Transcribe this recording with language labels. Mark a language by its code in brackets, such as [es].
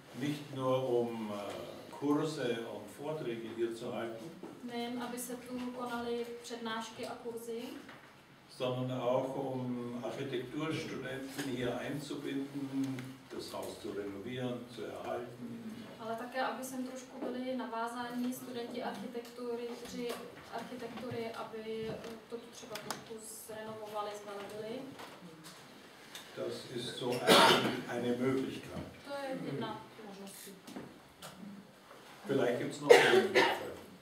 [de] Nicht nur um Kurse und Vorträge hier zu halten. [cs] Nejen aby se tu konaly přednášky a kurzy. [de] Sondern auch um Architekturstudenten hier einzubinden, das Haus zu renovieren, zu erhalten. [cs] Ale také, aby sem trošku byli navázáni studenti architektury, aby to třeba trošku zrenovovali, zvelebili. [de] Das ist so eine Möglichkeit. [cs] To je jedna možnost. [de] Vielleicht gibt's noch eine Möglichkeit.